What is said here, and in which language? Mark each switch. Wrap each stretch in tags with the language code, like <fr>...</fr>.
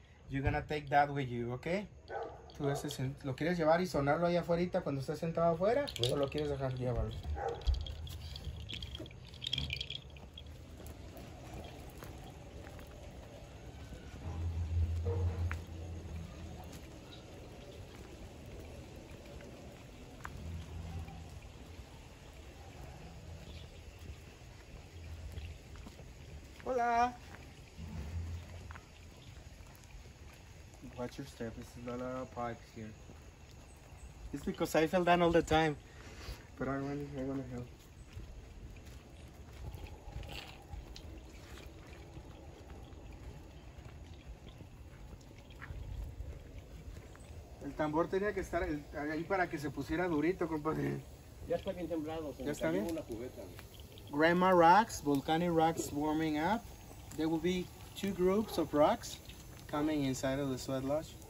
<en>You're going to take that with you, okay?</en> <es>¿Lo quieres llevar y sonarlo ahí afuera cuando estés sentado afuera? ¿O lo quieres dejar llevarlo?</es> <en>Watch your step. This is a lot of pipes here. It's because I fell down all the time. But I want to help.</en> <es>El tambor tenía que estar ahí para que se pusiera durito, compadre. Ya está bien temblado. Ya está bien. Una cubeta.</es> <en>Grandma rocks, volcanic rocks warming up. There will be two groups of rocks coming inside of the sweat lodge.</en>